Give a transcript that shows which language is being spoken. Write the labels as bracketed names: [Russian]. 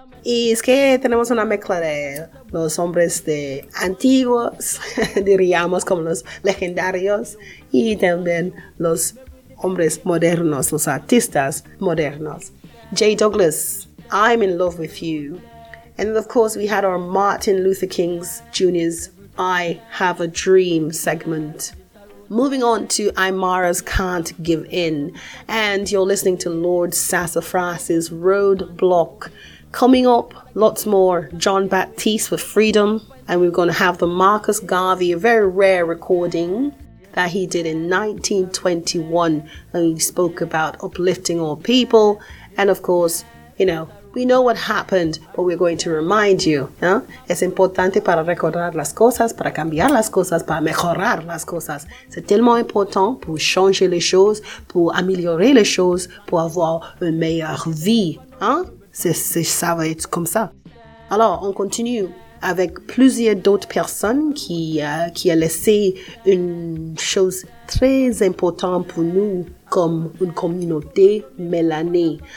[Spanish] Y es que tenemos una mezcla de los hombres de antiguos, diríamos, como los legendarios, y también los hombres modernos, los artistas modernos. [English] Jay Douglas, I'm in love with you. And of course, we had our Martin Luther King Jr.'s I Have a Dream segment. Moving on to Aymara's Can't Give In, and you're listening to Lord Sassafras's Roadblock. Coming up, lots more John Baptiste with Freedom, and we're going to have the Marcus Garvey, a very rare recording that he did in 1921, and he spoke about uplifting all people. And of course, you know, we know what happened, but we're going to remind you. ¿Eh? [Spanish] Es importante para recordar las cosas, para cambiar las cosas, para mejorar las cosas. [French] C'est tellement important pour changer les choses, pour améliorer les choses, pour avoir une meilleure vie. ¿Eh? C'est, ça va être comme ça. Alors, on continue avec plusieurs d'autres personnes qui a laissé une chose très importante pour nous comme une communauté mélanée.